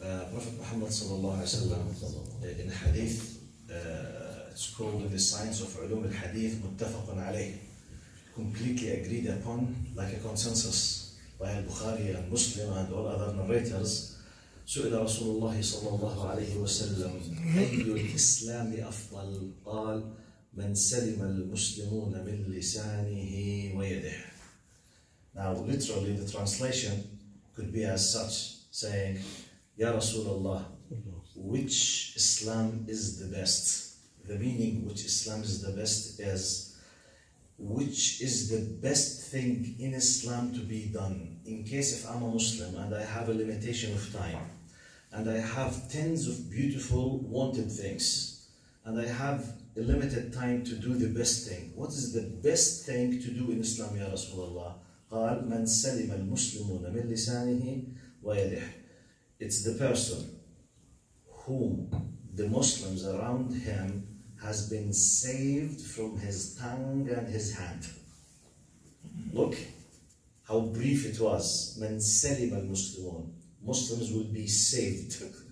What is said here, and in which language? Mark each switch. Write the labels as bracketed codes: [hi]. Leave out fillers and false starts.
[en] Prophet Muhammad sallallahu alaihi wasallam in a hadith, it's called the science of ulum al-hadith muttafaqun alayh, completely agreed upon, like a consensus by al-Bukhari and Muslim and all other narrators. [ar] سئل رسول الله صلى الله عليه وسلم أي الإسلام أفضل؟ قال من سلم المسلمون من لسانه ويده. [en] Now literally the translation could be as such, saying, [ar] يا رسول الله, [en] which Islam is the best? The meaning which Islam is the best is, which is the best thing in Islam to be done? In case if I'm a Muslim and I have a limitation of time, and I have tens of beautiful wanted things, and I have a limited time to do the best thing, what is the best thing to do in Islam, [ar] Ya Rasulullah? قال من سلم المسلمون من لسانه ويده. [en] It's the person whom the Muslims around him has been saved from his tongue and his hand. Look how brief it was. [ar] من سلم المسلمون. [en] Muslims would be saved.